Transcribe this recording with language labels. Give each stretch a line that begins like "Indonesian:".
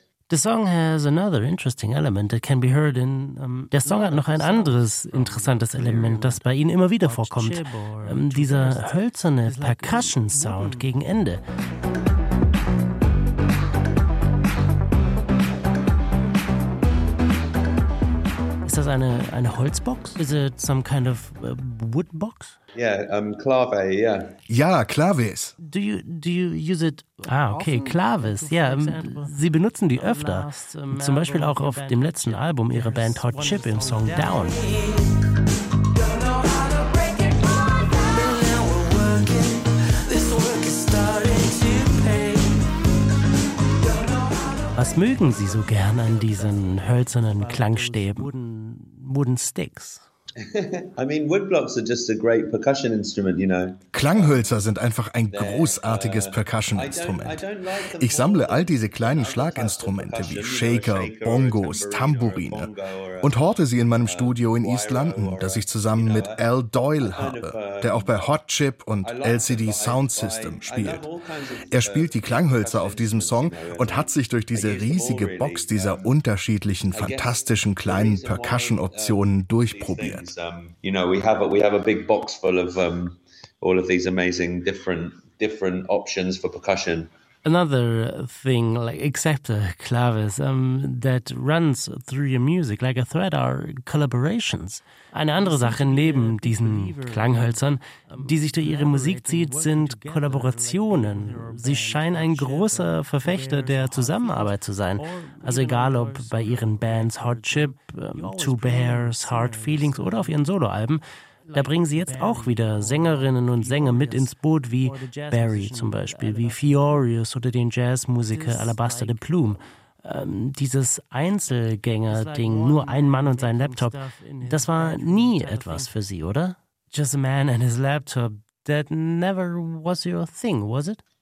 English: The song has another interesting element that can be heard in.
German: Der Song hat noch ein anderes interessantes Element, das bei ihnen immer wieder vorkommt. Dieser hölzerne Percussion-Sound gegen Ende. Ist das eine Holzbox?
English: Is it some kind of wood box? Clave,
German: Ja, Claves.
English: Do you use it? Ah, okay, Claves.
German: Ja, sie benutzen die öfter. Zum Beispiel auch auf dem letzten Album ihrer Band Hot Chip im Song Down. Was mögen Sie so gern an diesen hölzernen Klangstäben?
English: Wooden Sticks. I mean, woodblocks are just a great percussion instrument, you know.
German: Klanghölzer sind einfach ein großartiges Percussion-Instrument. Ich sammle all diese kleinen Schlaginstrumente wie Shaker, Bongos, Tambourine und horte sie in meinem Studio in East London, das ich zusammen mit Al Doyle habe, der auch bei Hot Chip und LCD Sound System spielt. Er spielt die Klanghölzer auf diesem Song und hat sich durch diese riesige Box dieser unterschiedlichen, fantastischen kleinen Percussion-Optionen durchprobiert.
English: We have a big box full of all of these amazing different options for percussion. Another thing, like except the clavis, that runs through your music like a thread are collaborations.
German: Eine andere Sache neben diesen Klanghölzern, die sich durch ihre Musik zieht, sind Kollaborationen. Sie scheinen ein großer Verfechter der Zusammenarbeit zu sein. Also egal, ob bei ihren Bands Hot Chip, Two Bears, Hard Feelings oder auf ihren Soloalben. Da bringen sie jetzt auch wieder Sängerinnen und Sänger mit ins Boot, wie Barry zum Beispiel, wie Fiorius oder den Jazzmusiker Alabaster de Plume. Dieses Einzelgänger-Ding, nur ein Mann und sein Laptop, das war nie etwas für sie, oder?
English: Just a man and his laptop, that never was your thing, was it?